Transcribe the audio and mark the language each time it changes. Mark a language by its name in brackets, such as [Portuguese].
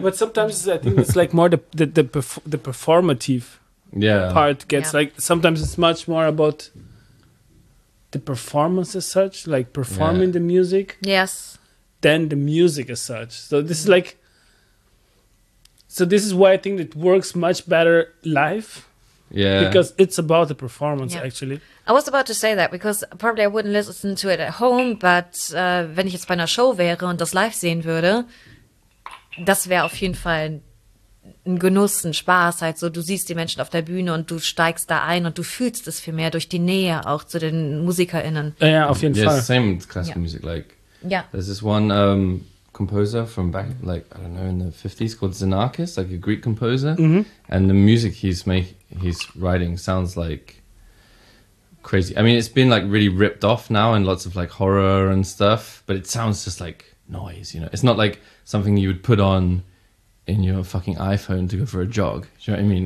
[English] But sometimes I think it's like more the performative part gets like, sometimes it's much more about the performance as such, like performing the music. Yes. Than the music as such. So this is like, so this is why I think it works much better live. Yeah. Because it's about the performance, yeah. actually. I was about to say that, because probably I wouldn't listen to it at home, but [German] wenn ich jetzt bei einer Show wäre und das live sehen würde, das wäre auf jeden Fall ein Genuss, ein Spaß, halt so, du siehst die Menschen auf der Bühne und du steigst da ein und du fühlst es viel mehr durch die Nähe auch zu den MusikerInnen. Ja, auf jeden Fall. [English] Yeah, same with classical yeah. music, like, yeah. there's this one composer from back, like, I don't know, in the 50s called Xenakis, like a Greek composer, mm-hmm. and the music he's writing sounds like crazy. I mean, it's been like really ripped off now in lots of like horror and stuff, but it sounds just like noise, you know, it's not like something you would put on in your fucking iPhone to go for a jog. Do you know what I mean?